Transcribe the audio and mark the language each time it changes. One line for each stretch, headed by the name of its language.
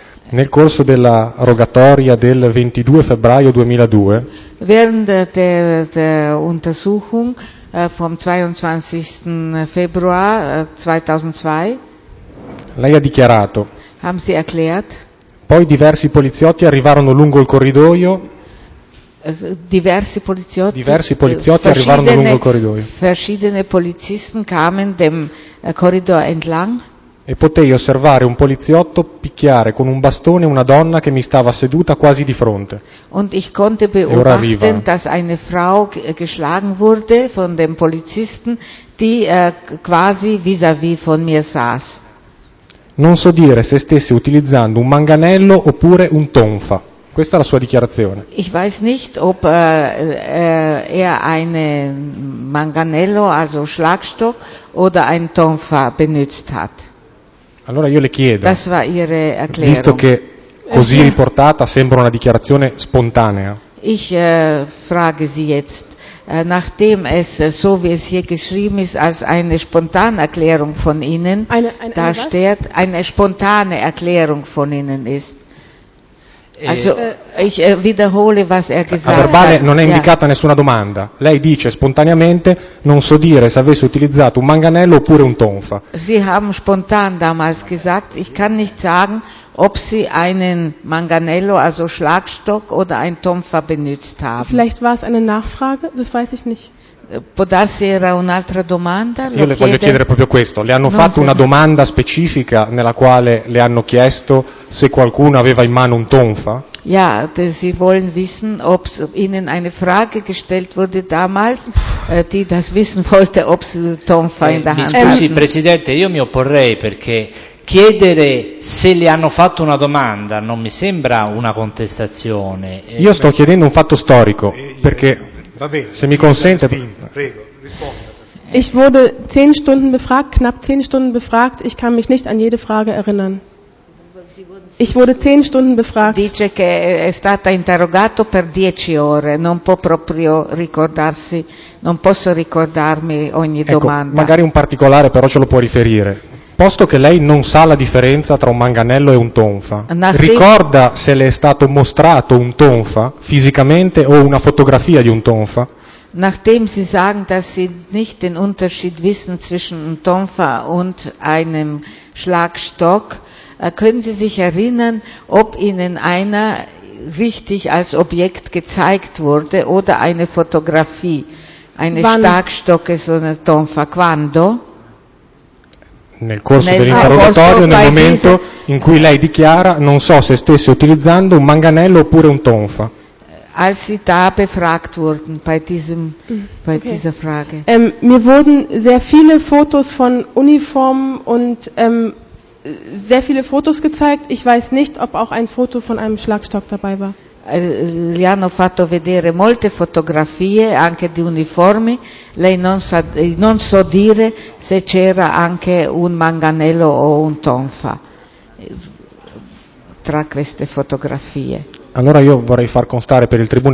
Italian: Nel corso della rogatoria del 22 febbraio 2002,
German: während der Untersuchung vom 22. Februar 2002,
Italian: lei ha dichiarato,
German: haben Sie erklärt,
Italian: poi diversi poliziotti arrivarono lungo il corridoio, diversi poliziotti arrivarono lungo il corridoio,
German: verschiedene Polizisten kamen dem Korridor entlang,
Italian: e potei osservare un poliziotto picchiare con un bastone una donna che mi stava seduta quasi di fronte.
German: Und ich konnte beobachten, dass eine Frau geschlagen wurde von dem Polizisten, die quasi vis-à-vis von mir saß.
Italian: Non so dire se stesse utilizzando un manganello oppure un tonfa. Questa è la sua dichiarazione.
German: Ich weiß nicht, ob er eine Manganello, also Schlagstock, oder ein Tonfa benutzt hat.
Italian: Allora io le chiedo,
German: das war ihre Erklärung,
Italian: visto che così riportata sembra una dichiarazione spontanea.
German: Ich frage Sie jetzt, nachdem es so wie es hier geschrieben ist, als eine spontane Erklärung von Ihnen dasteht, eine spontane Erklärung von Ihnen ist. Also ich wiederhole, was er gesagt hat.
Italian: A verbale non è indicata nessuna domanda. Lei dice spontaneamente, non so dire se avesse utilizzato un manganello oppure un tonfa.
German: Sie haben spontan damals gesagt, ich kann nicht sagen, ob Sie einen Manganello, also Schlagstock, oder ein Tonfa benutzt haben. Vielleicht war es eine Nachfrage, das weiß ich nicht.
Italian: Può darsi era un'altra domanda? Io le voglio chiedere proprio questo. Le hanno fatto una domanda specifica nella quale le hanno chiesto se qualcuno aveva in mano un tonfa?
German: Ja, sie wollen wissen, ob Ihnen eine Frage gestellt wurde damals, die das wissen wollte, ob sie tonfa in der Hand hatten.
Italian: Mi scusi, Presidente, io mi opporrei perché chiedere se le hanno fatto una domanda non mi sembra una contestazione. Io sto chiedendo un fatto storico, perché... Va bene, se mi consente, prego,
German: ich wurde 10 Stunden befragt, knapp 10 Stunden befragt. Ich kann mich nicht an jede Frage erinnern. Ich wurde 10 Stunden befragt.
Italian: Dice che è stata interrogato per 10 ore. Non può proprio ricordarsi, non posso ricordarmi ogni domanda. Ecco, magari un particolare, però ce lo può riferire. Posto che lei non sa la differenza tra un manganello e un tonfa, ricorda se le è stato mostrato un tonfa fisicamente o una fotografia di un tonfa?
German: Nachdem Sie sagen, dass Sie nicht den Unterschied wissen zwischen einem Tonfa und einem Schlagstock, können Sie sich erinnern, ob Ihnen einer richtig als Objekt gezeigt wurde oder eine Fotografie eines Schlagstockes oder Tonfa?
Italian: Quando? Nel corso dell'interrogatorio, nel momento in cui lei dichiara, non so se stesse utilizzando un manganello oppure un tonfa.
German: als sie da befragt wurden bei diesem bei okay. dieser Frage. Mir wurden sehr viele Fotos von Uniformen und sehr viele Fotos gezeigt. Ich weiß nicht, ob auch ein Foto von einem Schlagstock dabei war.
Italian: Gli hanno fatto vedere molte fotografie anche di uniformi. Lei non sa, non so dire se c'era anche un manganello o un tonfa tra queste fotografie. Allora io vorrei far constare per il tribunale.